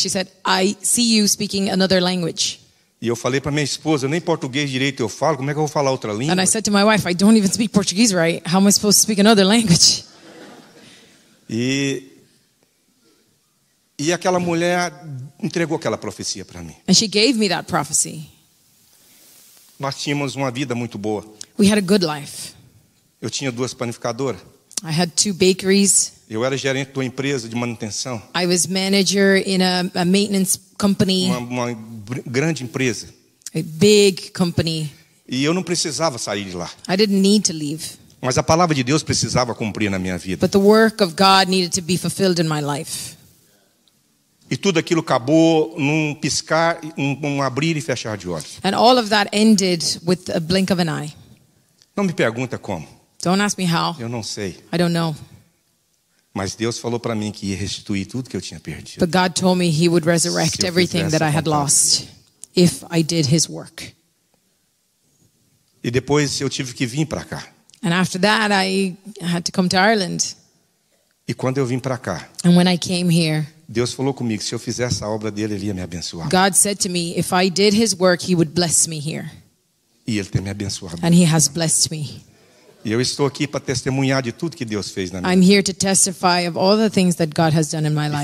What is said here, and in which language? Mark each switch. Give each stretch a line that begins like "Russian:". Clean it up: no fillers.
English: She said, I see you speaking another language.
Portuguese: E eu falei para minha esposa, nem português direito eu falo, como é que eu vou falar outra língua?
English: And I said to my wife, I don't even speak Portuguese right. How am I supposed to speak another language?
Portuguese: E aquela mulher entregou aquela profecia para mim.
English: And she gave me that prophecy.
Portuguese: Nós tínhamos uma vida muito boa.
English: We had a good life.
Portuguese: Eu tinha duas panificadoras.
English: I had two bakeries.
Portuguese: Eu era gerente de uma empresa de manutenção.
English: I was manager in a maintenance company.
Portuguese: Uma grande empresa.
English: A big company.
Portuguese: E eu não precisava sair de lá.
English: I didn't need to leave.
Portuguese: Mas a palavra de Deus precisava cumprir na minha vida.
English: But the work of God needed to be fulfilled in my life.
Portuguese: E tudo aquilo acabou num piscar, num abrir e fechar de olhos.
English: And all of that ended with a blink of an eye.
Portuguese: Não me pergunta como.
English: Don't ask me how.
Portuguese: Eu não sei.
English: I don't know.
Portuguese: Mas Deus falou para mim que ia restituir tudo que eu tinha perdido.
English: But God told me he would resurrect everything that I had lost if I did his work.
Portuguese: E depois eu tive que vir para cá.
English: And after that I had to come to Ireland.
Portuguese: E quando eu vim para cá.
English: And when I came here.
Portuguese: Deus falou comigo, se eu fizesse a obra dele, ele ia me abençoar.
English: God said to me, if I did his work, he would bless me here.
Portuguese: E ele tem me abençoado.
English: And he has blessed me.
Portuguese: E eu estou aqui para testemunhar de tudo que Deus fez na minha
English: vida. I'm here to testify of all the things that God has done in my life.